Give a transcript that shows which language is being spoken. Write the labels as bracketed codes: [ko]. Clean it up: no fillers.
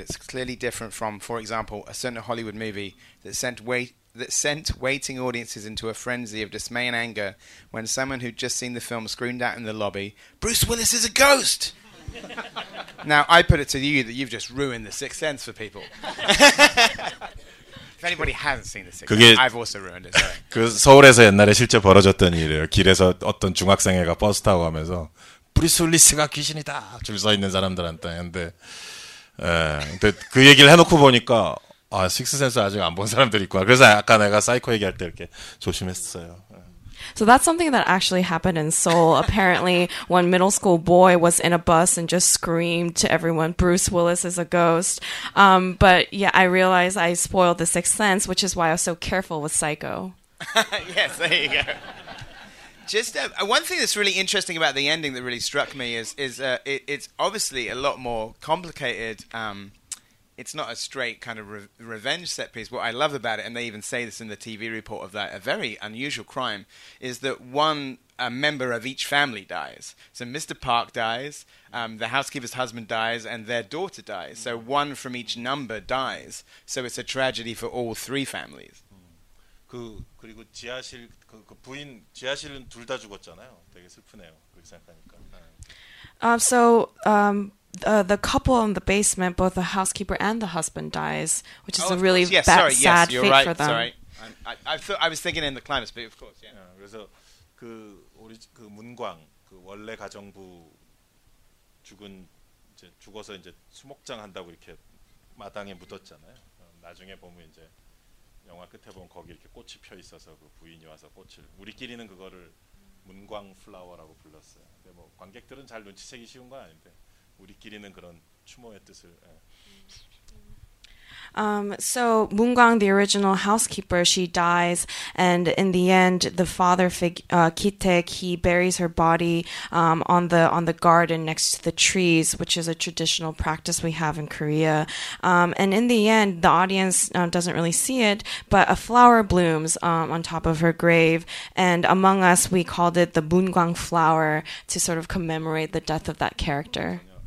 [en] It's clearly different from, for example, a certain Hollywood movie that sent waiting audiences into a frenzy of dismay and anger when someone who'd just seen the film screamed out in the lobby, "Bruce Willis is a ghost!" Now, I put it to you that you've just ruined The Sixth Sense for people. If anybody hasn't seen The Sixth Sense, I've also ruined it. [ko] 그 서울에서 옛날에 실제 벌어졌던 일이에요. 길에서 어떤 중학생애가 버스 타고 가면서 브루스 윌리스가 귀신이다 줄 서 있는 사람들한테 근데 그 얘기를 해놓고 보니까 아 식스센스 아직 안 본 사람들이 있구나 그래서 아까 내가 사이코 얘기할 때 이렇게 조심했어요. [en] So that's something that actually happened in Seoul. Apparently, one middle school boy was in a bus and just screamed to everyone, "Bruce Willis is a ghost." But yeah, I realized I spoiled The Sixth Sense, which is why I was so careful with Psycho. Yes, there you go. Just one thing that's really interesting about the ending that really struck me is it's obviously a lot more complicated. It's not a straight kind of revenge set piece. What I love about it, and they even say this in the TV report of that, a very unusual crime, is that a member of each family dies. So Mr. Park dies, the housekeeper's husband dies, and their daughter dies. So one from each number dies. So it's a tragedy for all three families. [ko] 그리고 지하실 그 부인 지하실은 둘 다 죽었잖아요. 되게 슬프네요. 그렇게 생각하니까. [en] So the couple in the basement, both the housekeeper and the husband, dies, which is a really sad fate for them. I was thinking in the climax, but of course, yeah. [ko] 그래서 그 우리 그 문광 그 원래 가정부 죽은 이제 죽어서 이제 수목장 한다고 이렇게 마당에 묻었잖아요. 나중에 보면 이제 영화 끝에 보면 거기 이렇게 꽃이 펴 있어서 그 부인이 와서 꽃을 우리끼리는 그거를 문광 플라워라고 불렀어요. 근데 뭐 관객들은 잘 눈치채기 쉬운 건 아닌데 우리끼리는 그런 추모의 뜻을. 예. [en] So Moon Gwang, the original housekeeper, she dies, and in the end, the father Ki-taek, he buries her body on the garden next to the trees, which is a traditional practice we have in Korea. And in the end, the audience doesn't really see it, but a flower blooms on top of her grave, and among us, we called it the Moon Gwang flower to sort of commemorate the death of that character.